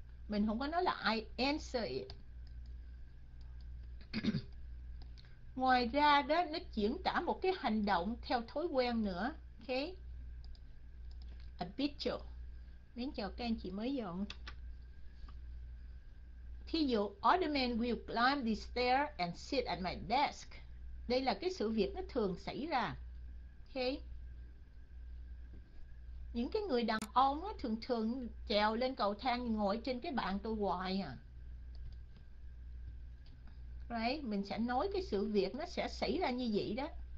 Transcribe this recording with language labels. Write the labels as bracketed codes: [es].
[vi] Mình không có nói là [en] I answer it. [vi] Ngoài ra đó, nó diễn tả một cái hành động theo thói quen nữa. Okay. Habitual. Mến chào các anh chị mới dọn. Thí dụ, [en] all the men will climb the stair and sit at my desk. [vi] Đây là cái sự việc nó thường xảy ra. Okay. Những cái người đàn ông nó thường thường trèo lên cầu thang ngồi trên cái bàn tôi hoài à. Right. Mình sẽ nói cái sự việc nó sẽ xảy ra như vậy đó.